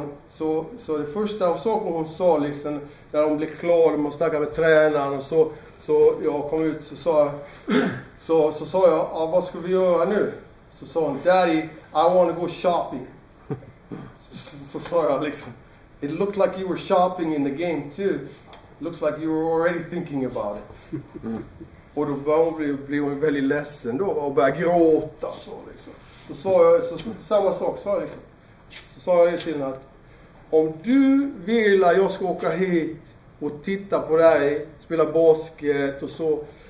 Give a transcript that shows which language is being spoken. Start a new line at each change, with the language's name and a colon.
Swedish: Så det första saken hon sa liksom, när de blev klara med att snacka med tränaren och så jag kom ut så sa jag, vad ska vi göra nu? Så sa hon,
English: daddy, I want to go shopping.
Swedish: Så sa jag liksom,
English: it looked like you were shopping in the game too. Looks like you were already thinking about it.
Swedish: Och då blev hon väldigt ledsen då och började gråta. Så liksom. Så sa jag, samma sak sa jag liksom. Så sa jag det till henne att om du vill att jag ska åka hit och titta på dig, spela basket och så.